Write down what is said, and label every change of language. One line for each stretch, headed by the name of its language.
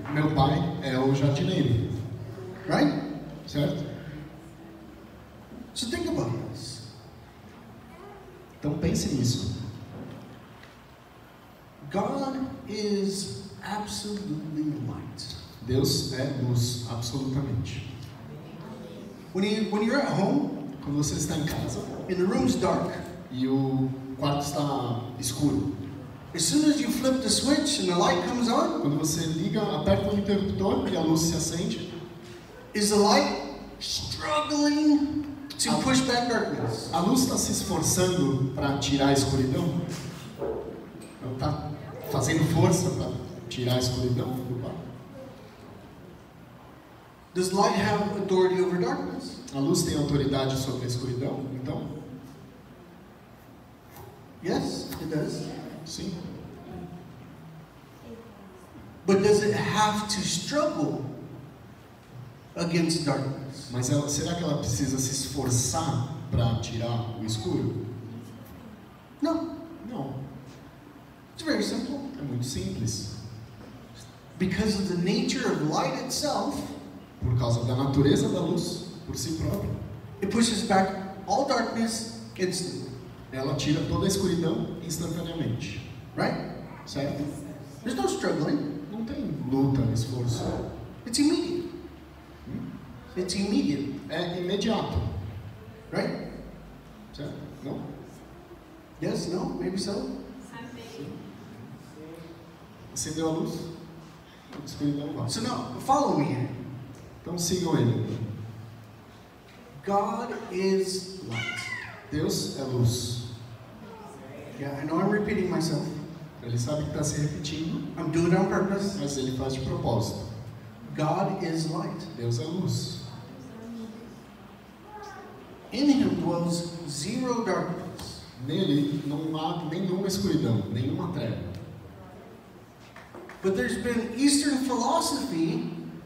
Portuguese: Meu pai é o jardineiro.
English: Right?
Portuguese: Certo?
English: So think about this.
Portuguese: Então pense nisso.
English: God is absolutely light.
Portuguese: Deus é luz absolutamente.
English: When you're at home,
Portuguese: quando você está em casa,
English: and the room's dark,
Portuguese: e o quarto está escuro,
English: as soon as you flip the switch and the light comes on,
Portuguese: quando você liga, aperta o interruptor e a luz se acende,
English: is the light struggling to push back darkness?
Portuguese: A luz está se esforçando para tirar a escuridão? Ela está fazendo força para tirar a escuridão do quarto?
English: Does light have authority over darkness?
Portuguese: A luz tem autoridade sobre a escuridão, então?
English: Yes, it does.
Portuguese: Sim.
English: But does it have to struggle against darkness?
Portuguese: Mas ela, será que ela precisa se esforçar para tirar o escuro?
English: No. No. It's very simple.
Portuguese: É muito simples.
English: Because of the nature of light itself,
Portuguese: por causa da natureza da luz por si própria,
English: it pushes back all darkness instantly.
Portuguese: Ela tira toda a escuridão instantaneamente,
English: right?
Portuguese: Certo?
English: There's no struggling.
Portuguese: Não tem luta, esforço.
English: It's immediate. Hmm? It's immediate.
Portuguese: É imediato,
English: right?
Portuguese: Certo? Não?
English: Yes? No? Maybe so?
Portuguese: Sim. Acendeu a luz? A escuridão vai.
English: So now, follow me here.
Portuguese: Então sigam ele.
English: God is light.
Portuguese: Deus é luz.
English: Yeah, I know I'm repeating myself.
Portuguese: Ele sabe que está se repetindo.
English: I'm doing it on purpose.
Portuguese: Mas ele faz de propósito.
English: God is light.
Portuguese: Deus é luz.
English: In him dwells zero darkness.
Portuguese: Nele não há nenhuma escuridão, nenhuma treva.
English: But there's been Eastern philosophy.